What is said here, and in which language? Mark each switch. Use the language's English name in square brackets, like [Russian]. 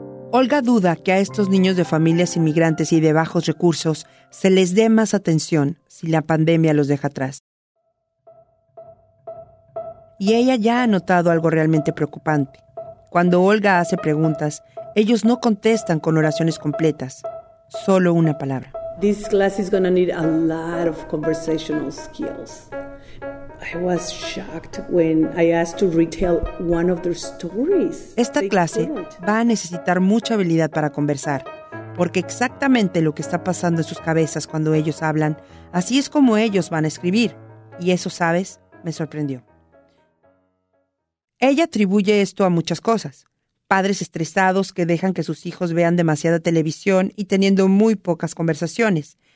[Spanish] Olga duda que a estos niños de familias inmigrantes y de bajos recursos se les dé más atención si la pandemia los deja atrás. Y ella ya ha notado algo realmente preocupante. Cuando Olga hace preguntas, ellos no contestan con oraciones completas, solo una palabra. [English] This class is going to need a lot of conversational skills. I was shocked when I asked to retell one of their stories. [Spanish] Esta clase va a necesitar mucha habilidad para conversar, porque exactamente lo que está pasando en sus cabezas cuando ellos hablan, así es como ellos van a escribir. Y eso, ¿sabes? Me sorprendió. Ella atribuye esto a muchas cosas. Padres estresados que dejan que sus hijos vean demasiada televisión y teniendo muy pocas conversaciones.